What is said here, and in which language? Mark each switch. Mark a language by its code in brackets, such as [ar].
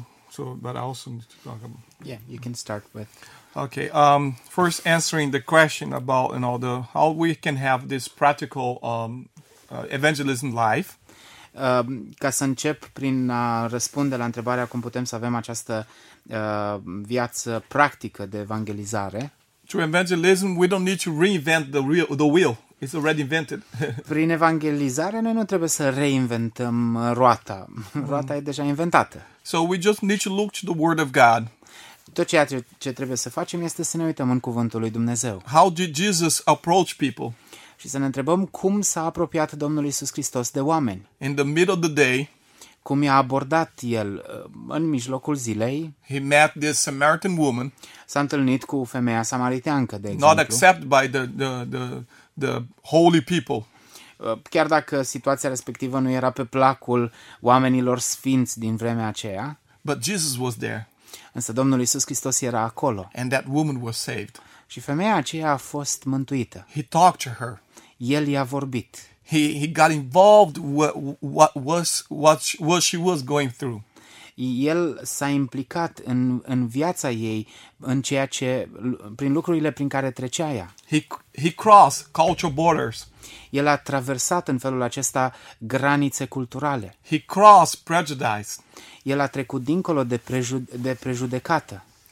[en] So but I also need to talk about. Yeah, you can start with. Okay. First answering the question about, you know, the how we can have this practical evangelism life. [ro] Ca să încep prin a răspunde la întrebarea cum putem să avem această viață practică de evangelizare. [en] To evangelism, we don't need to reinvent the wheel. It's already invented. [ro] Prin evangelizare noi nu trebuie să reinventăm roata. Roata e deja inventată. [en] So we just need to look to the word of God. [ro] Tot ceea ce trebuie să facem este să ne uităm în cuvântul lui Dumnezeu. [en] How did Jesus approach people? [ro] Și să ne întrebăm cum s-a apropiat Domnul Iisus Hristos de oameni. [en] In the middle of the day, [ro] cum i-a abordat el în mijlocul zilei. [en] He met this Samaritan woman. [ro] S-a întâlnit cu femeia samariteancă, de exemplu. [en] Not accepted by the holy people. [ro] Chiar dacă situația respectivă nu era pe placul oamenilor sfinți din vremea aceea. [en] But Jesus was there. [ro] Însă Domnul Iisus Hristos era acolo. [en] And that woman was saved. [ro] Și femeia aceea a fost mântuită. [en] He talked to her. [ro] El i-a vorbit. [en] He got involved what she was going through. [ro] El s-a implicat în viața ei, în ceea ce prin lucrurile prin care trecea ea. [en] He crossed cultural borders. [ro] El a traversat în felul acesta granițe culturale. [en] He crossed prejudice. [ro] El a trecut dincolo de prejudecată.